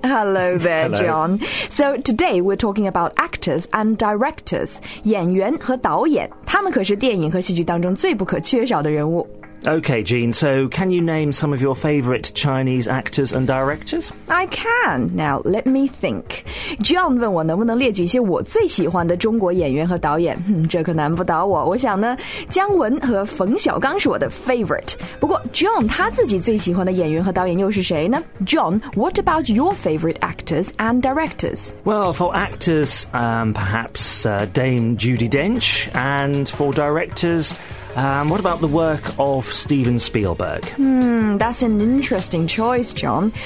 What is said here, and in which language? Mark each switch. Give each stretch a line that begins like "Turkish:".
English: Hello there. Hello. John. So today we're talking about actors and directors,
Chinese: 演员和导演，他们可是电影和戏剧当中最不可缺少的人物。
English: Okay, Jean, so can you name some of your favourite Chinese actors and directors? I can. Now, let me think.
Chinese: John 问我能不能列举一些我最喜欢的中国演员和导演。这可难不倒我。我想呢，姜文和冯小刚是我的 favorite。不过 John 他自己最喜欢的演员和导演又是谁呢？
English: John, what about your favourite actors and directors? Well, for actors, perhaps Dame Judi Dench. And for directors... what about the work of Steven Spielberg? That's an interesting choice, John.